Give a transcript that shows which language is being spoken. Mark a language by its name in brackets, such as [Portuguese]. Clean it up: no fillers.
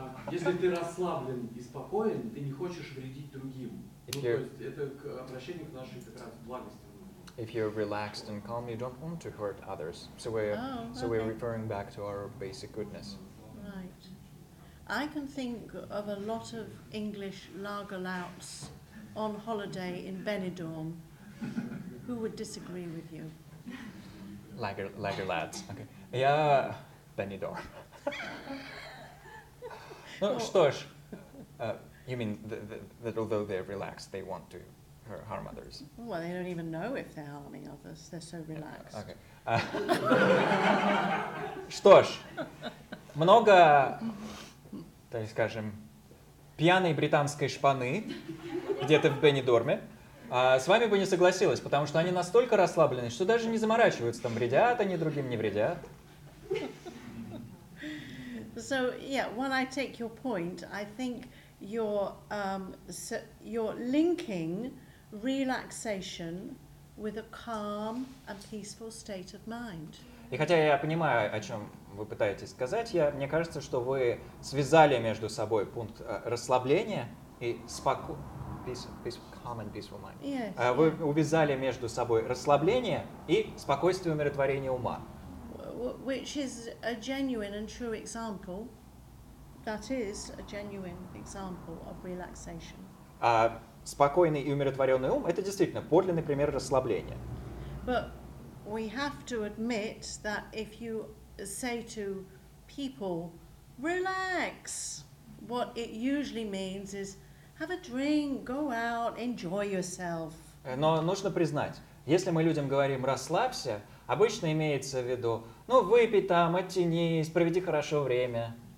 [Russian] Если ты расслаблен и спокоен, ты не хочешь вредить другим. Ну, то есть это к обращению к нашей как раз благости. [English] If you're relaxed and calm, you don't want to hurt others. So we're referring back to our basic goodness. Right. I can think of a lot of English lagerlouts on holiday in Benidorm who would disagree with you. Lagerlads. Okay. Yeah, Benidorm. [Russian] Ну что ж, [English] you mean that although they're relaxed, they want to harm others? Well, they don't even know if they're harming others. They're so relaxed. [Russian] Okay. Что ж, много... То есть, скажем, пьяные британские шпаны где-то в Бенидорме с вами бы не согласилась, потому что они настолько расслаблены, что даже не заморачиваются, там вредят они другим, не вредят. [English] So, yeah, when I take your point, I think you're linking relaxation with a calm and peaceful state of mind. [Russian] И хотя я понимаю, о чем вы пытаетесь сказать, мне кажется, что вы связали между собой пункт расслабления и вы увязали между собой расслабление и спокойствие умиротворения ума. [English] Which is a genuine and true example. That is a genuine example of relaxation. [Russian] Спокойный и умиротворенный ум — это действительно подлинный пример расслабления. [English] But we have to admit that if you say to people, relax, what it usually means is have a drink, go out, enjoy yourself. [Russian] Но нужно признать, если мы людям говорим «расслабься», обычно имеется в виду «ну, выпей там, оттянись, проведи хорошо время».